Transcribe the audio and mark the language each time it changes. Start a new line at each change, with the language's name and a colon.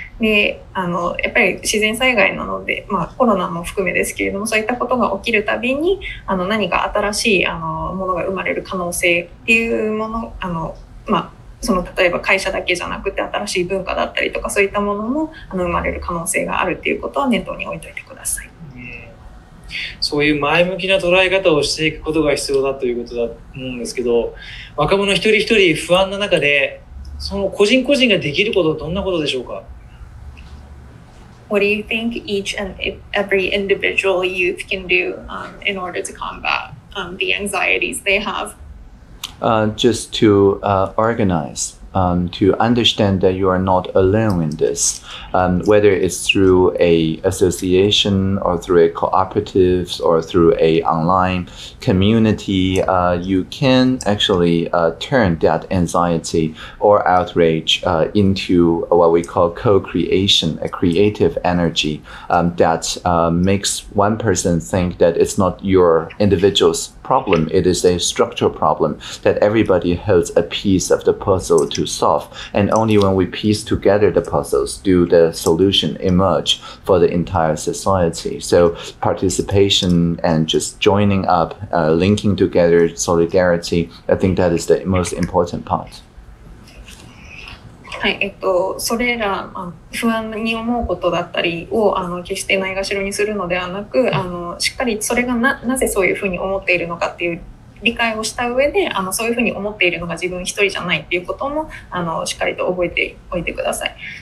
Japanese: で、やっぱり自然災害なので、まあ、コロナも含めですけれども、そういったことが起きるたびに何か新しいものが生まれる可能性っていうもの、まあ、その例えば会社だけじゃなくて新しい文化だったりとか、そういったものも生まれる可能性があるっていうことは念頭に置いておいてください。そういう前向きな捉え方をしていくことが必要だということだと思うんですけど、若者一人一人不安な中で、その個人個人ができることはどんなことでしょうか？
English: What do you think each and every individual youth can do in order to combat the anxieties they have? Just to organize, to understand that you are not alone in this, whether it's through a association or through a cooperative or through a online community, you can actually turn that anxiety or outrage into what we call co-creation, a creative energy that makes one person think that it's not your individual's problem, it is a structural problem that everybody holds a piece of the puzzle to solve. And only when we piece together the puzzles do the solution emerge for the entire society. So participation and just joining up, linking together, solidarity, I think that is the most important part.
Japanese: はい、それら不安に思うことだったりを決してないがしろにするのではなく、しっかりそれが なぜそういうふうに思っているのかっていう理解をした上で、そういうふうに思っているのが自分一人じゃないっていうこともしっかりと覚えておいてください。